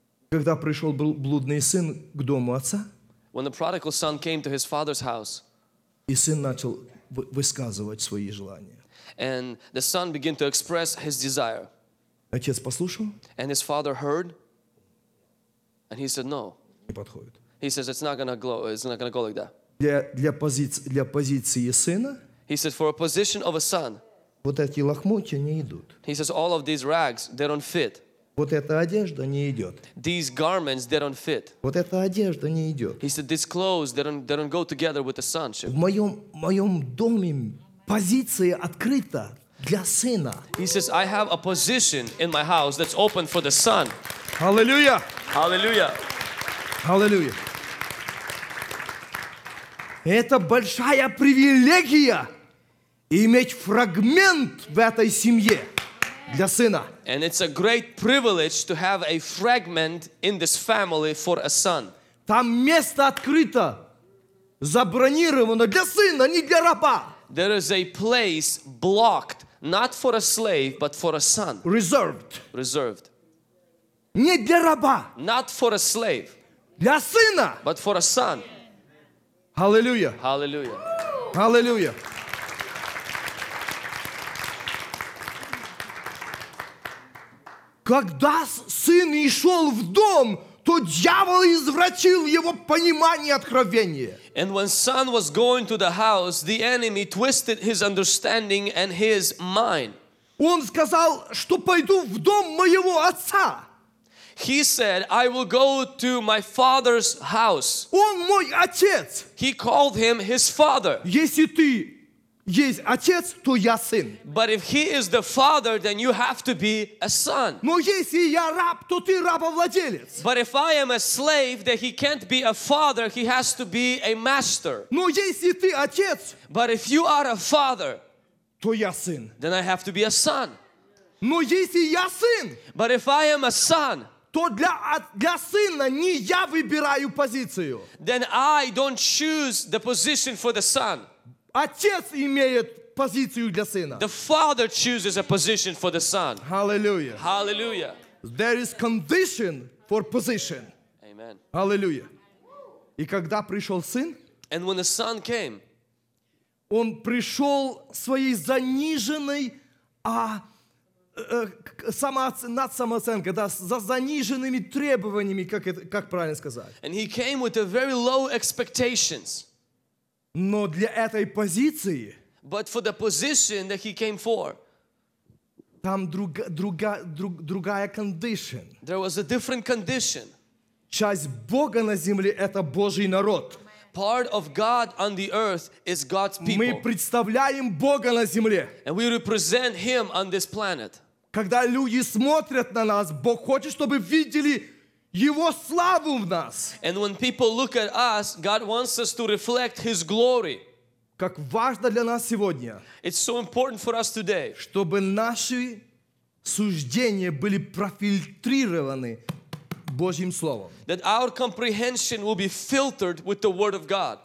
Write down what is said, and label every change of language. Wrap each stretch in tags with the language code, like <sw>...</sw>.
<ru>Когда пришел блудный сын к дому отца,</ru> <en>when the prodigal son came to his father's house,</en> <ru>и сын начал высказывать свои желания.</ru> <en>And the son began to express his desire.</en> <ru>Отец послушал.</ru> <en>And his father heard. And he said, no.</en> <ru>Не подходит.</ru> <en>He says, it's not gonna go like that.</en> <ru>Для позиции сына.</ru> <en>He said, for a position of a son.</en> <ru>Вот эти лохмотья не идут.</ru> <en>He says, all of these rags, they don't fit.</en> <ru>Вот эта одежда не идет.</ru> <en>These garments, they don't fit.</en> <ru>Вот эта одежда не идет.</ru> <en>He said, these clothes, they don't go together with the sonship.</en> <ru>В моем доме позиция открыта для сына.</ru> <en>He says, I have a position in my house that's open for the son. Hallelujah! Hallelujah! Hallelujah!</en> <ru>Это большая привилегия иметь фрагмент в этой семье для сына.</ru> <en>And it's a great privilege to have a fragment in this family for a son.</en> <ru>Там место открыто, забронировано для сына, не для раба.</ru> <en>There is a place blocked, not for a slave, but for a son. Reserved. Reserved.</en> <ru>Не для раба.</ru> <en>Not for a slave.</en> <ru>Для сына.</ru> <en>But for a son. Hallelujah. Hallelujah. Hallelujah.</en> <ru>Когда сын шел в дом, то дьявол извратил его понимание откровения.</ru> <en>And when son was going to the house, the enemy twisted his understanding and his mind.</en> <ru>Он сказал, что пойду в дом моего отца.</ru> <en>He said, I will go to my father's house.</en> <ru>Он мой отец.</ru> <en>He called him his father.</en> <ru>Если ты есть отец, то я сын.</ru> <en>But if he is the father, then you have to be a son.</en> <ru>Но если я раб, то ты рабовладелец.</ru> <en>But if I am a slave, then he can't be a father, he has to be a master.</en> <ru>Но если ты отец,</ru> <en>but if you are a father,</en> <ru>то я сын.</ru> <en>Then I have to be a son.</en> <ru>Но если я сын,</ru> <en>but if I am a son,</en> <ru>то для сына не я выбираю позицию.</ru> <en>Then I don't choose the position for the son.</en> <ru>Отец имеет позицию для сына.</ru> <en>The father chooses a position for the son. Hallelujah. Hallelujah. There is condition for position. Amen.</en> <ru>Hallelujah. И когда пришел сын,</ru> <en>and when the son came,</en> <ru>он пришел своей заниженной, над самооценкой, да, за заниженными требованиями, как правильно сказать.</ru> <en>And he came with a very low expectations.</en> <ru>Но для этой позиции,</ru> <en>but for the position that he came for,</en> <ru>там другая condition.</ru> <en>There was a different condition.</en> <ru>Часть Бога на земле – это Божий народ.</ru> <en>Part of God on the earth is God's people.</en> <ru>Мы представляем Бога на земле.</ru> <en>And we represent him on this planet.</en> <ru>Когда люди смотрят на нас, Бог хочет, чтобы видели Его славу в нас.</ru> <en>And when people look at us, God wants us to reflect His glory.</en> <ru>Как важно для нас сегодня.</ru> <en>It's so important for us today.</en> <ru>Чтобы наши суждения были профильтрированы Божьим Словом.</ru> <en>That our comprehension will be filtered with the Word of God.</en>